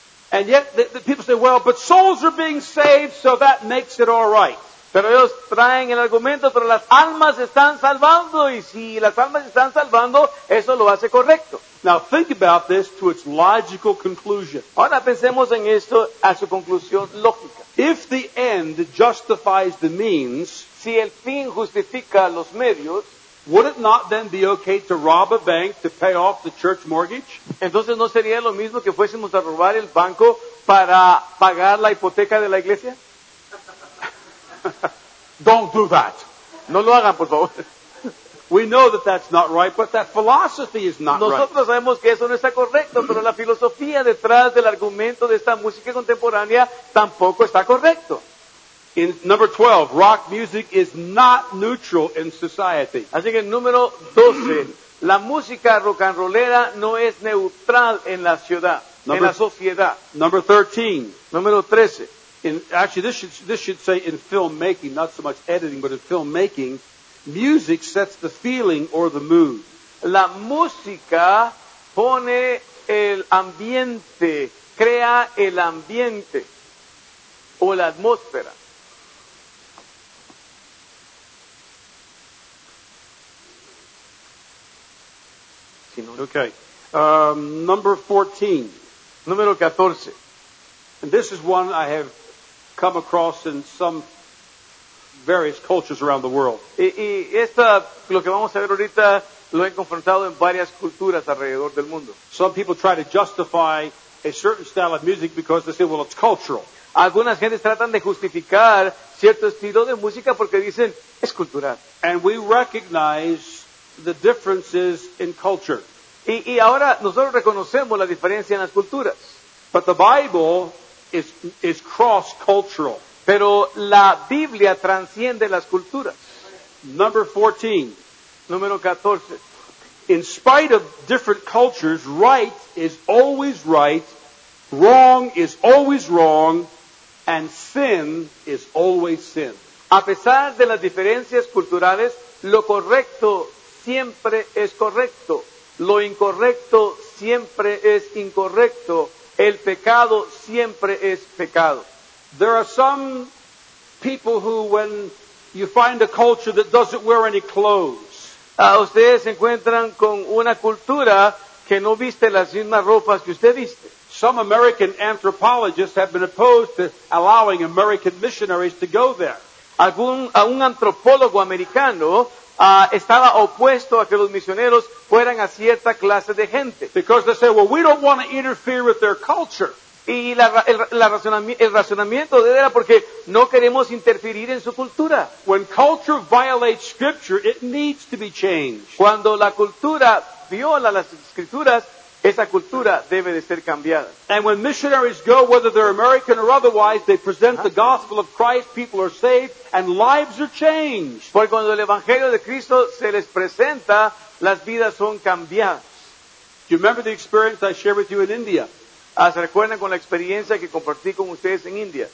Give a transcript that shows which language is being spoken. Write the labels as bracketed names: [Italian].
[English] And yet the people say, well, but souls are being saved, so that makes it all right. [Spanish] Pero ellos traen el argumento, pero las almas están salvando, y si las almas están salvando, eso lo hace correcto. [English] Now think about this to its logical conclusion. [Spanish] Ahora pensemos en esto a su conclusión lógica. [English] If the end justifies the means, [Spanish] si el fin justifica los medios, [English] would it not then be okay to rob a bank to pay off the church mortgage? [Spanish] Entonces no sería lo mismo que fuésemos a robar el banco para pagar la hipoteca de la iglesia? [English] Don't do that. [Spanish] No lo hagan, por favor. [English] We know that that's not right, but that philosophy is not [Spanish] nosotros [English] right. [Spanish] Nosotros sabemos que eso no está correcto, pero la filosofía detrás del argumento de esta música contemporánea tampoco está correcto. [English] In number 12, rock music is not neutral in society. [Spanish] Así que número 12, la música rock and rollera no es neutral en la ciudad, en la sociedad. [English] Number 13. [Spanish] Número 13. [English] This should say in filmmaking, not so much editing, but in filmmaking, music sets the feeling or the mood. [Spanish] La música pone el ambiente, crea el ambiente o la atmósfera. [English] Okay. Number 14. [Spanish] Número 14. [English] And this is one I have come across in some various cultures around the world. [Spanish] Y esta, lo que vamos a ver ahorita, lo he confrontado en varias culturas alrededor del mundo. [English] Some people try to justify a certain style of music because they say, well, it's cultural. [Spanish] Algunas gentes tratan de justificar cierto estilo de música porque dicen, es cultural. [English] And we recognize the differences in culture. [Spanish] Y ahora nosotros reconocemos la diferencia en las culturas. [English] But the Bible is cross-cultural. [Spanish] Pero la Biblia transciende las culturas. [English] Number 14. [Spanish] Número 14. [English] In spite of different cultures, right is always right, wrong is always wrong, and sin is always sin. [Spanish] A pesar de las diferencias culturales, lo correcto siempre es correcto. Lo incorrecto siempre es incorrecto. El pecado siempre es pecado. [English] There are some people who, when you find a culture that doesn't wear any clothes, [Spanish] ustedes se encuentran con una cultura que no viste las mismas ropas que usted viste. [English] Some American anthropologists have been opposed to allowing American missionaries to go there. [Spanish] Un antropólogo americano estaba opuesto a que los misioneros fueran a cierta clase de gente. [English] Because they say, well, we don't want to interfere with their culture. [Spanish] Y el razonamiento de él era porque no queremos interferir en su cultura. [English] When culture violates scripture, it needs to be changed. [Spanish] Cuando la cultura viola las escrituras, Esa cultura debe de ser cambiada. [English] And when missionaries go, whether they're American or otherwise, they present the gospel of Christ, people are saved, and lives are changed. [Spanish] Porque cuando el Evangelio de Cristo se les presenta, las vidas son cambiadas. [English] Do you remember the experience I shared with you in India? [Spanish] ¿Se recuerdan con la experiencia que compartí con ustedes en India?